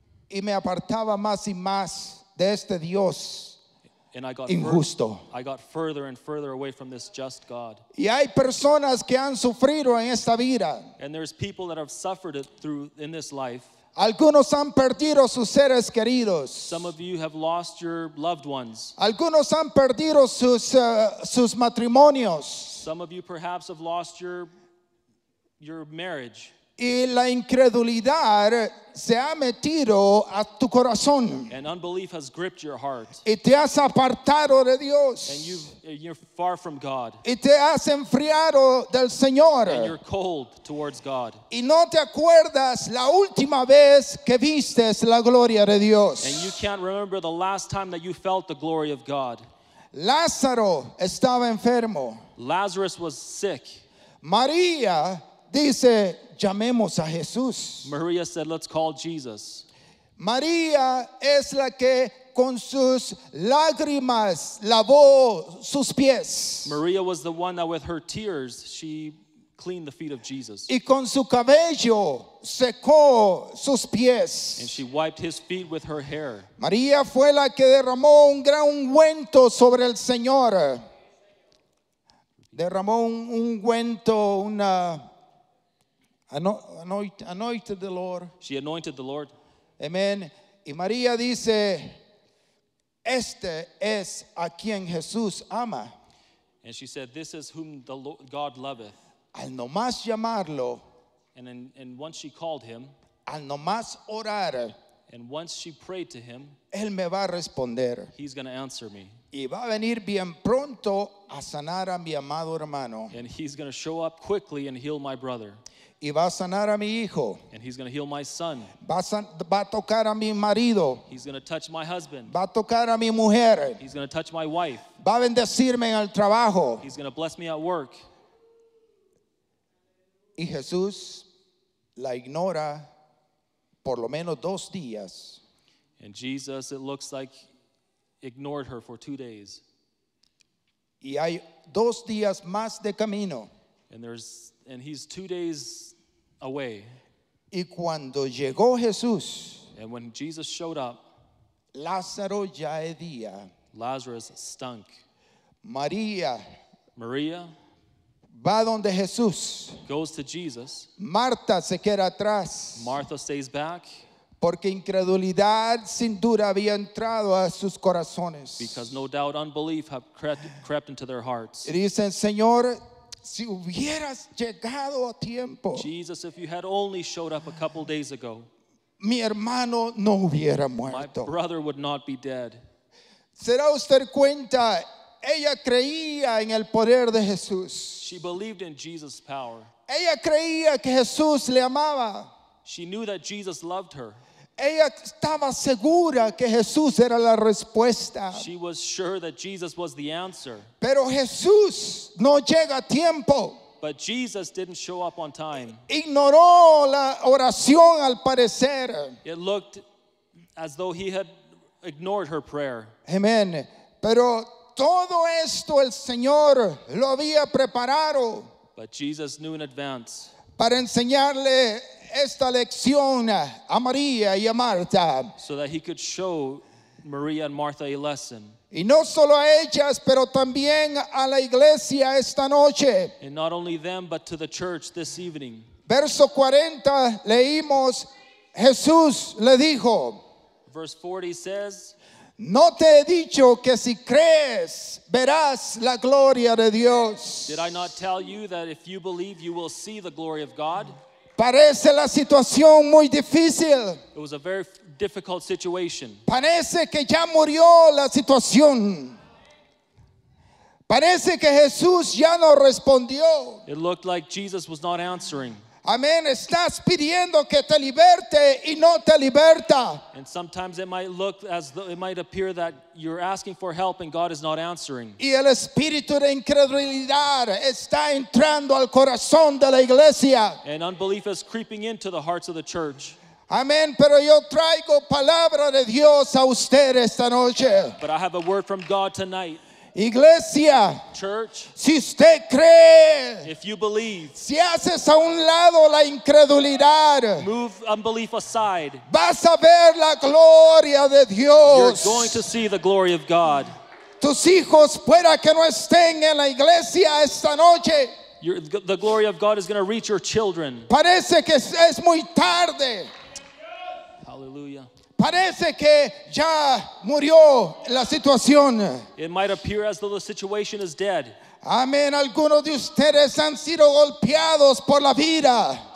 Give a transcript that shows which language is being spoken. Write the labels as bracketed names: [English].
[Spanish] Y me apartaba más y más de este Dios injusto. [English] I got further and further away from this just God. [Spanish] Y hay personas que han sufrido en esta vida. [English] And there's people that have suffered it through in this life. [Spanish] Algunos han perdido sus seres queridos. [English] Some of you have lost your loved ones. [Spanish] Algunos han perdido sus matrimonios. [English] Some of you perhaps have lost your marriage. [Spanish] Y la incredulidad se ha metido a tu corazón. [English] And unbelief has gripped your heart. [Spanish] Y te has apartado de Dios. [English] And you're far from God. [Spanish] Y te has enfriado del Señor. [English] And you're cold towards God. [Spanish] Y no te acuerdas la última vez que vistes la gloria de Dios. [English] And you can't remember the last time that you felt the glory of God. [Spanish] Lázaro estaba enfermo. [English] Lazarus was sick. [Spanish] María dice, llamemos a Jesús. [English] Maria said, let's call Jesus. [Spanish] María es la que con sus lágrimas lavó sus pies. [English] Maria was the one that with her tears, she cleaned the feet of Jesus. [Spanish] Y con su cabello secó sus pies. [English] And she wiped his feet with her hair. [Spanish] María fue la que derramó un gran ungüento sobre el Señor. Derramó un ungüento, una... [English] Anointed the Lord. She anointed the Lord. [Spanish] Amen. Y María dice, este es a quien Jesús ama. [English] And she said, this is whom the Lord, God loveth. [Spanish] Al nomás llamarlo. [English] And once she called him. [Spanish] Al nomás orar. [English] And once she prayed to him. [Spanish] Él me va a responder. [English] He's going to answer me. [Spanish] Y va a venir bien pronto a sanar a mi amado hermano. [English] And he's going to show up quickly and heal my brother. [Spanish] Y va a sanar a mi hijo. [English] And he's going to heal my son. [Spanish] Va a tocar a mi marido. [English] He's going to touch my husband. [Spanish] Va a tocar a mi mujer. [English] He's going to touch my wife. [Spanish] Va a bendecirme en el trabajo. [English] He's going to bless me at work. [Spanish] Y Jesús la ignora por lo menos dos días. [English] And Jesus, it looks like, ignored her for 2 days. [Spanish] Y hay dos días más de camino. [English] And he's 2 days away. [Spanish] Y cuando llegó Jesús, [English] and when Jesus showed up, [Spanish] Lázaro ya hedía. [English] Lazarus stunk. [Spanish] Maria va donde Jesús. [English] Goes to Jesus. [Spanish] Marta se queda atrás. [English] Martha stays back. [Spanish] Porque incredulidad sin duda había entrado a sus corazones. [English] Because no doubt unbelief had crept into their hearts. [Spanish] Y dicen, Señor, si hubieras llegado a tiempo, [English] Jesus, if you had only showed up a couple days ago, [Spanish] mi hermano no hubiera muerto. [English] My brother would not be dead. [Spanish] ¿Se da usted cuenta? Ella creía en el poder de Jesús. [English] She believed in Jesus' power. [Spanish] Ella creía que Jesús le amaba. [English] She knew that Jesus loved her. [Spanish] Ella estaba segura que Jesús era la respuesta. [English] She was sure that Jesus was the answer. [Spanish] Pero Jesús no llega a tiempo. [English] But Jesus didn't show up on time. [Spanish] Ignoró la oración al parecer. [English] It looked as though he had ignored her prayer. Amen. [Spanish] Pero todo esto el Señor lo había preparado. [English] But Jesus knew in advance. [Spanish] Para enseñarle esta lección a María y a Marta. [English] So that he could show Maria and Martha a lesson. [Spanish] Y no solo a ellas, pero también a la iglesia esta noche. [English] And not only them, but to the church this evening. [Spanish] Verso 40, leímos, Jesús le dijo. [English] Verse 40 says, [Spanish] no te he dicho que si crees, verás la gloria de Dios. [English] Did I not tell you that if you believe, you will see the glory of God? [Spanish] Parece la situación muy difícil. [English] It was a very difficult situation. [Spanish] Parece que ya murió la situación. Parece que Jesús ya no respondió. [English] It looked like Jesus was not answering. [Spanish] Amén. Estás pidiendo que te liberte y no te liberta. [English] And sometimes it might look as though it might appear that you're asking for help and God is not answering. [Spanish] Y el espíritu de incredulidad está entrando al corazón de la iglesia. [English] And unbelief is creeping into the hearts of the church. [Spanish] Amén. Pero yo traigo palabra de Dios a usted esta noche. [English] But I have a word from God tonight. [Spanish] Iglesia, [English] church, [Spanish] si usted cree, [English] if you believe, [Spanish] si haces a un lado la incredulidad, [English] move unbelief aside, [Spanish] vas a ver la gloria de Dios. [English] You're going to see the glory of God. [Spanish] Tus hijos pueda que no estén en la iglesia esta noche. [English] The glory of God is going to reach your children. [Spanish] Parece que es muy tarde. [English] Hallelujah. [Spanish] Parece que ya murió la situación. [English] It might appear as though the situation is dead. [Spanish] Amén. Algunos de ustedes han sido golpeados por la vida.